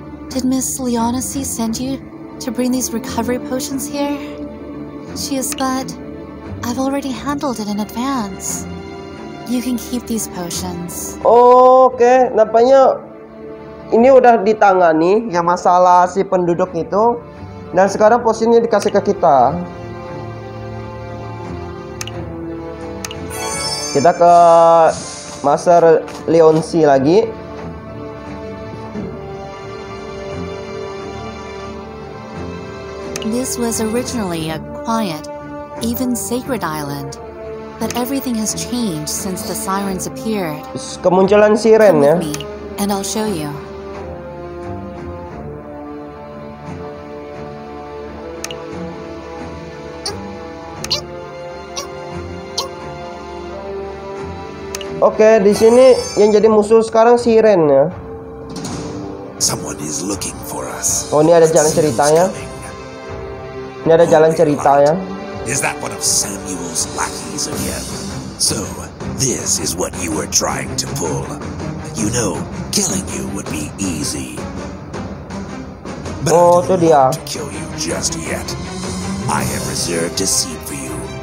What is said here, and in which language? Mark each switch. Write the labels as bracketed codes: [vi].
[en] Did Miss Leonacy send you to bring these recovery potions here? She is but I've already handled it in advance. You can keep these potions. [id] Oke, nampaknya ini udah ditangani ya masalah si penduduk itu. Dan sekarang potionnya dikasih ke kita. Kita ke Master Leonci lagi. [en] This was originally a quiet, even sacred island, but everything has changed since the sirens appeared. [id] Kemunculan siren ya. [en] And I'll show you. [id] Oke, di sini yang jadi musuh sekarang siren ya. [en] Someone is looking for us. [id] Oh, ini ada jalan ceritanya. Ini ada jalan ceritanya. [en] Is that one of Samuel's lackeys again? So, this is what you were trying to pull. You know, killing you would be easy. But oh, [id] itu dia. [en] To kill you just yet. I have reserved a seat for you.